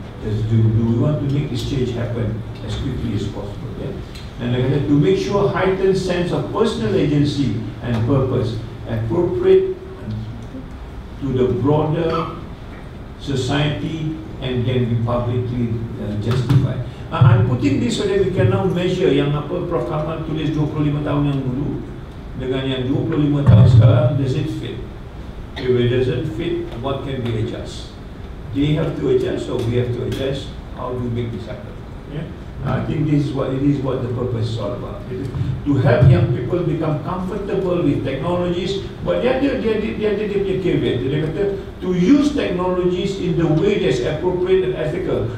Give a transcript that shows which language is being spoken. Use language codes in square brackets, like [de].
[en] Do we want to make this change happen as quickly as possible? Yeah? And like I said, to make sure heightened sense of personal agency and purpose appropriate to the broader society and can be publicly justified. I'm putting this so that we can now measure [ms] yang apa [en] Prof. [ms] Kamal tulis 25 tahun yang dulu dengan yang 25 tahun sekarang, [en] does it fit? If it doesn't fit, what can be adjusted? They have to adjust, or we have to adjust. How do we make this happen? Yeah? I think this is what it is. What the purpose is all about: is to help young people become comfortable with technologies. But they have to use technologies in the way that's appropriate and ethical.